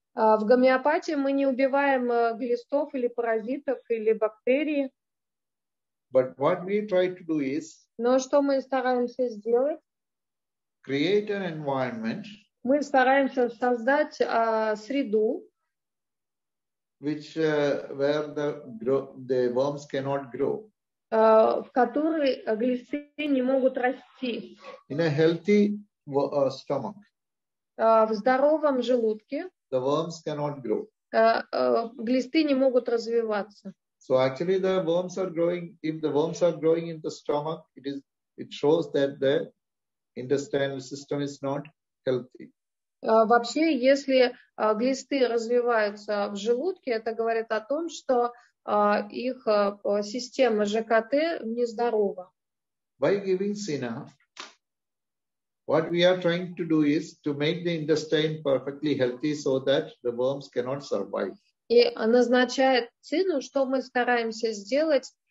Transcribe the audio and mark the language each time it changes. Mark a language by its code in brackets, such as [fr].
[ru] В гомеопатии мы не убиваем глистов или паразитов или бактерий. [en] But what we try to do is. [ru] Но что мы стараемся сделать? [en] Create an environment. [ru] Мы стараемся создать среду, [en] which where the worms cannot grow. [ru] В которой глисты не могут расти. [en] In a healthy stomach. [ru] в здоровом желудке [en] the worms cannot grow. [ru] Глисты не могут развиваться. [en] So actually the worms are growing, if the worms are growing in the stomach, it shows that the intestinal system is not healthy. [ru] Вообще, если глисты развиваются в желудке, это говорит о том, что их система ЖКТ нездорова. [en] By giving sina, what we are trying to do is to make the intestine perfectly healthy so that the worms cannot survive. [ru] И назначая цину, что мы стараемся сделать?